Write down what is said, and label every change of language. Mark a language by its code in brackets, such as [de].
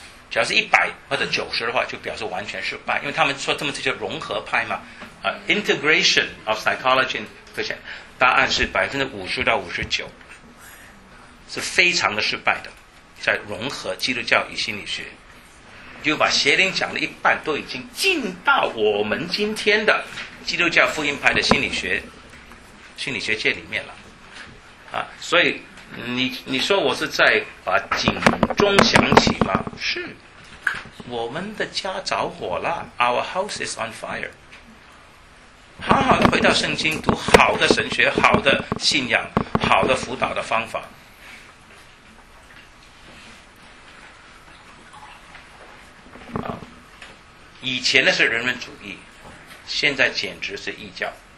[zh] 假如是100或者90的话，就表示完全失败，因为他们说这么叫融合派嘛， [en] integration of psychology， [zh] 可选答案是50%-59%，是非常的失败的，在融合基督教与心理学，就把邪灵讲的一半都已经进到我们今天的基督教福音派的心理学界里面了，所以你说我是在把警钟响起吗？是，我们的家着火了 ， [en] Our house is on fire。 [zh] 好好回到圣经，读好的神学、好的信仰、好的辅导的方法。以前的是人文主义，现在简直是异教。